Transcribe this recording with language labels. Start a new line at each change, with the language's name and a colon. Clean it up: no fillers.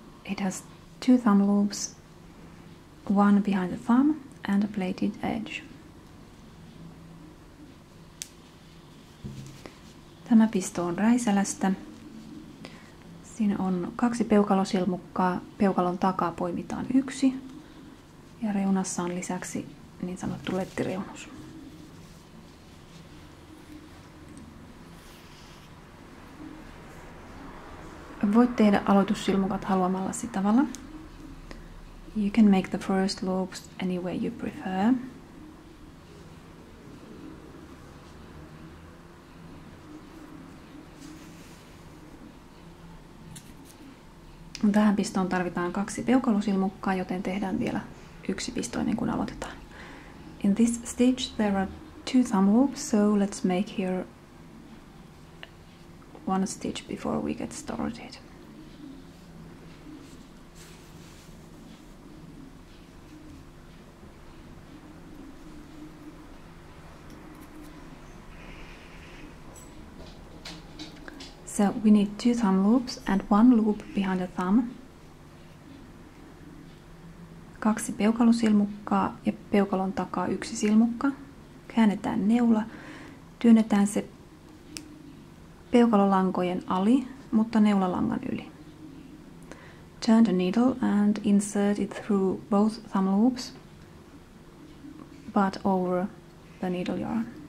English: It has two thumb loops, one behind the thumb and a plaited edge.
Finnish: Tämä pisto on Räisälästä. Siinä on kaksi peukalosilmukkaa. Peukalon takaa poimitaan yksi. Ja reunassa on lisäksi niin sanottu lettireunus. Voit tehdä aloitussilmukat haluamallasi tavalla.
English: You can make the first loops any way you prefer.
Finnish: Tähän pistoon tarvitaan kaksi peukalosilmukkaa, joten tehdään vielä yksi pisto ennen kuin aloitetaan.
English: In this stitch there are two thumb loops, so let's make here one stitch before we get started. So we need two thumb loops and one loop behind the thumb.
Finnish: Kaksi peukalosilmukkaa ja peukalon takaa yksi silmukka. Käännetään neula. Työnnetään se peukalolankojen ali, mutta neulalangan yli.
English: Turn the needle and insert it through both thumb loops, but over the needle yarn.